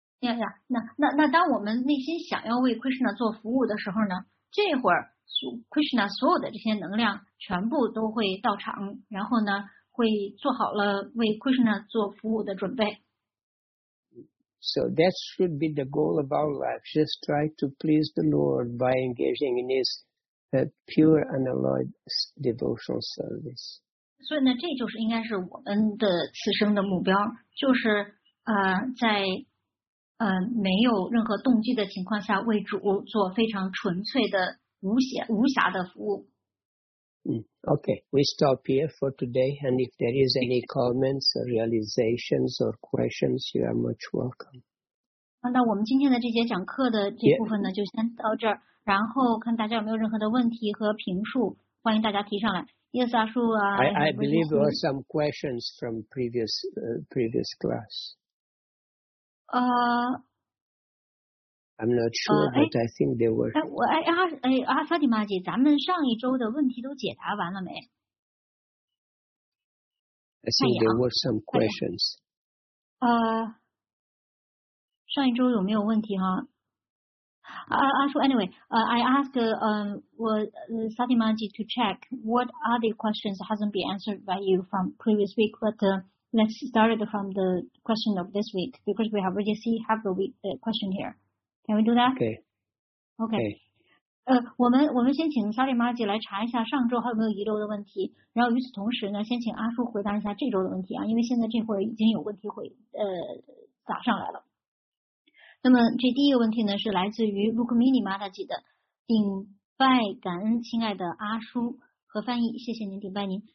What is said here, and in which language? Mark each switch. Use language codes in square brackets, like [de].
[en] Yeah, yeah. [zh] 那当我们内心想要为 Krishna 做服务的时候呢，这会儿 Krishna 所有的这些能量全部都会到场，然后呢，会做好了为 Krishna 做服务的准备。 [en] So that should be the goal of our life. Just try to please the Lord by engaging in His pure and alloyed devotional service. [zh] 所以呢，这就是应该是我们的此生的目标，就是在没有任何动机的情况下，为主做非常纯粹的无暇的服务。 [en] Okay, we stop here for today, and if there is any comments or realizations or questions, you are much welcome. [zh] 那我们今天的这节讲课的这部分呢，就先到这儿。然后看大家有没有任何的问题和评述，欢迎大家提上来。 [en] Yes, [zh] 阿叔啊。 [en] I believe there are some questions from previous class. I'm not sure, but I think they were. [zh] 阿萨迪玛姐，咱们上一周的问题都解答完了没 [en] ？I think there were some questions. [zh] 上一周有没有问题哈？ [en] I asked Sati Maji to check what are the questions that hasn't been answered by you from previous week, but let's start it from the question of this week because we have already see half the week question here. Can we do that? Okay. [zh] 我们先请萨利玛吉来查一下上周还有没有遗留的问题，然后与此同时呢，先请阿叔回答一下这周的问题啊，因为现在这会儿已经有问题会打上来了。那么这第一个问题呢，是来自于 Rukmini Mataji 的，顶拜感恩亲爱的阿叔和翻译，谢谢您顶拜您。